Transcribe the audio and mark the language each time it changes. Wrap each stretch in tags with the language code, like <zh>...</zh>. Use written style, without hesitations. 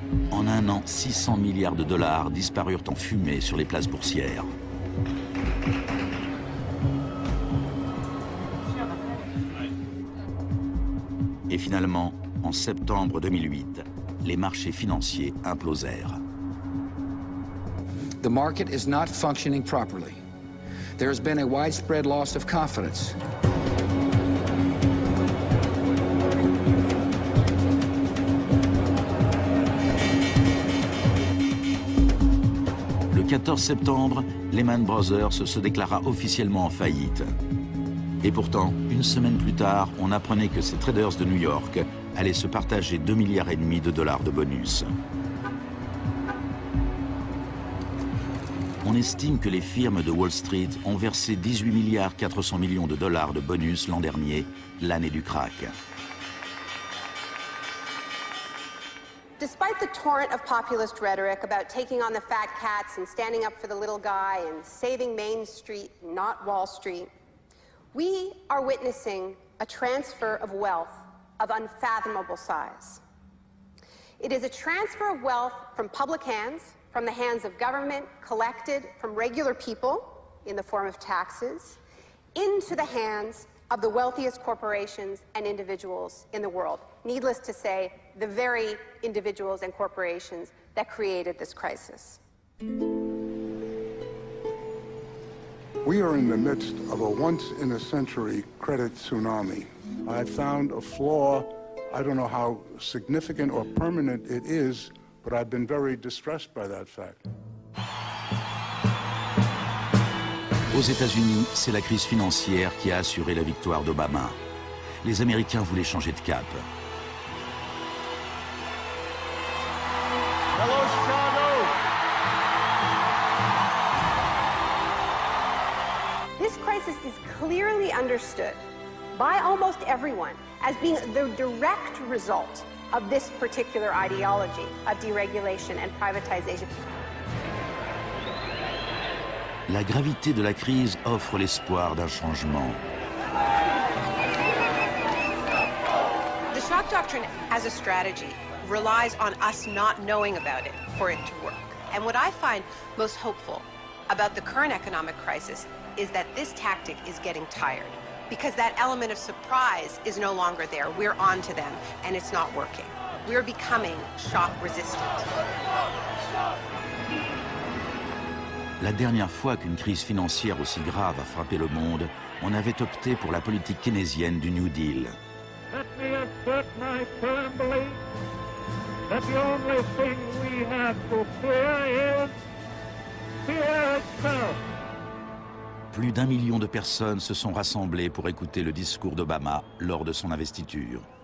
<fr>En un an, 600 milliards de dollars disparurent en fumée sur les places boursières. Et finalement, en septembre 2008, les marchés financiers implosèrent.</fr> <en>The market is not functioning properly. There has been a widespread loss of confidence.</en> <fr>Le 14 septembre, Lehman Brothers se déclara officiellement en faillite. Et pourtant, une semaine plus tard, on apprenait que ces traders de New York allaient se partager 2,5 milliards de dollars de bonus. On estime que les firmes de Wall Street ont versé 18,4 milliards de dollars de bonus l'an dernier, l'année du crack.</fr> <en>Despite the torrent of populist rhetoric about taking on the fat cats and standing up for the little guy and saving Main Street, not Wall Street, we are witnessing a transfer of wealth of unfathomable size. It is a transfer of wealth from public hands, from the hands of government, collected from regular people in the form of taxes, into the hands of the wealthiest corporations and individuals in the world. Needless to say, the very individuals and corporations that created this crisis. We are in the midst of a once-in-a-century credit tsunami. I found a flaw. I don't know how significant or permanent it is, but I've been very distressed by that fact.</en> <fr>Aux États-Unis, c'est la crise financière qui a assuré la victoire d'Obama. Les Américains voulaient changer de cap.</fr> <en>Hello, Chicago. This crisis is clearly understood by almost everyone as being the direct result of this particular ideology of deregulation and privatization.</en> <fr>La gravité de la crise offre l'espoir d'un changement.</fr> <en>The shock doctrine as a strategy relies on us not knowing about it for it to work. And what I find most hopeful about the current economic crisis is that this tactic is getting tired because that element of surprise is no longer there. We're on to them and it's not working. We are becoming shock resistant.</en> <fr>La dernière fois qu'une crise financière aussi grave a frappé le monde, on avait opté pour la politique keynésienne du New Deal.</fr> <en>Let me assert my firm belief that the only thing we have to fear is fear itself.</en> <fr>Plus d'un million de personnes se sont rassemblées pour écouter le discours d'Obama lors de son investiture.</fr>